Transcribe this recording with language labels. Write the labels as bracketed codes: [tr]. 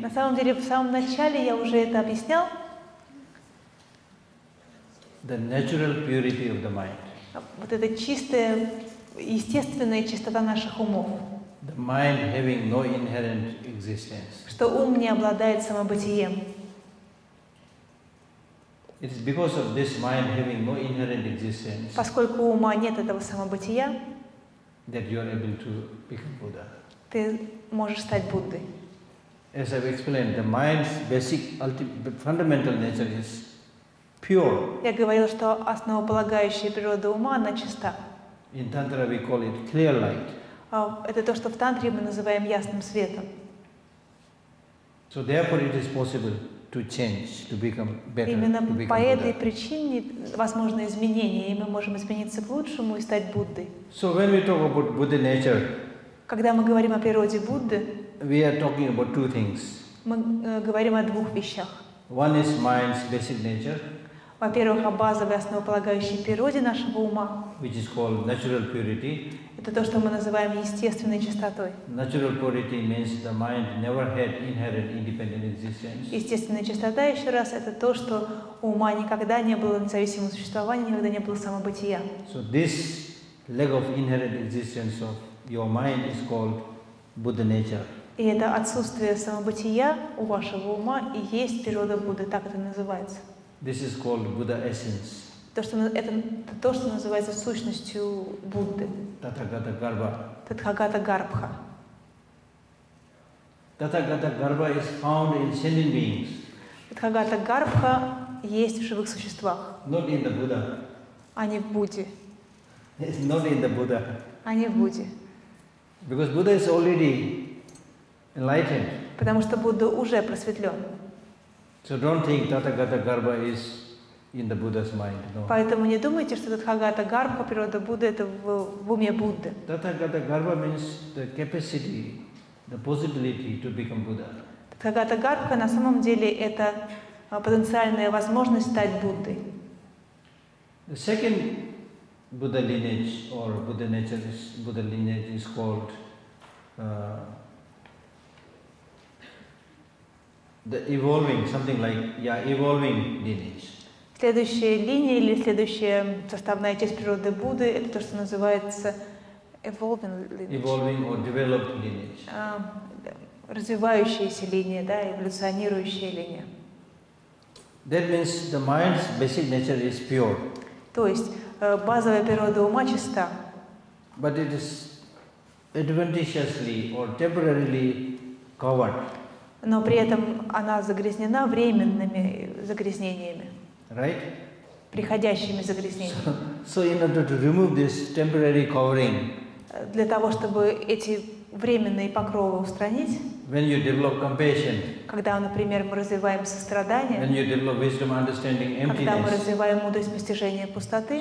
[ru] На самом деле, в самом начале я уже это объяснял. [en] The natural purity of the mind. [ru] Вот это чистая, естественная чистота наших умов. [en] The mind having no inherent existence. [ru] Что ум не обладает самобытием. [en] It is because of this mind having no inherent existence. [ru] Поскольку у ума нет этого самобытия. [en] That you are able to become Buddha. [ru] Ты можешь стать Буддой. [en] As I've explained, the mind's basic, fundamental nature is pure. [ru] Я говорил, что основополагающая природа ума, она чиста. [en] In tantra we call it clear light. [ru] Это то, что в тантре мы называем ясным светом. [en] So therefore it is possible to change, to become better. [ru] Именно [en] to become [ru] по этой [en] Buddha. [ru] Причине возможно изменение, и мы можем измениться к лучшему и стать Буддой. [en] So when we talk about Buddha nature, [ru] когда мы говорим о природе Будды, [en] we are talking about two things. [ru] Мы говорим о двух вещах. [en] One is mind's basic nature. [ru] Во-первых, о базовой основополагающей природе нашего ума. [en] Which is called natural purity. [ru] Это то, что мы называем естественной чистотой. [en] Natural purity means the mind never had inherent independent existence. [ru] Естественная чистота, еще раз, это то, что у ума никогда не было независимого существования, никогда не было самобытия. [en] So this lack of inherent existence of your mind is called Buddha nature. [ru] И это отсутствие самобытия у вашего ума и есть природа Будды, так это называется. [en] This is called Buddha essence. [ru] То, что называется сущностью Будды. Татхагата Гарбха. Татхагата Гарбха. [en] Татхагата Гарбха is found in sentient beings. [ru] Татхагата Гарбха есть в живых существах. [en] Not in the Buddha. [ru] А не в Будде. [en] Not in the Buddha. [ru] А не в Будде. [en] Because Buddha is already enlightened. [ru] Потому что Будда уже просветлен. [en] So don't think Татхагата Гарбха is in the Buddha's mind. No. [ru] Поэтому не думайте, что Татхагата Гарбха, природа Будды, это в уме Будды. [en] Татхагата Гарбха means the capacity, the possibility to become Buddha. [ru] Татхагата Гарбха на самом деле это потенциальная возможность стать Буддой. [en] The second Buddha lineage or Buddha nature is Buddha lineage is called the evolving, something like, evolving lineage. [ru] Следующая линия или следующая составная часть природы Будды — это то, что называется [en] evolving lineage. Evolving or developed lineage. [ru] Развивающаяся линия, да, эволюционирующая линия. [en] That means the mind's basic nature is pure. [ru] То есть базовая природа ума чиста. [en] But it is advantageously or temporarily covered. [ru] Но при этом она загрязнена временными загрязнениями. [en] Right? [ru] Приходящими загрязнениями. [en] So in order to remove this temporary covering. [ru] Для того, чтобы эти временные покровы устранить. [en] When you develop compassion. [ru] Когда, например, мы развиваем сострадание. [en] When you develop wisdom, understanding, emptiness. [ru] Когда мы развиваем мудрость постижения пустоты.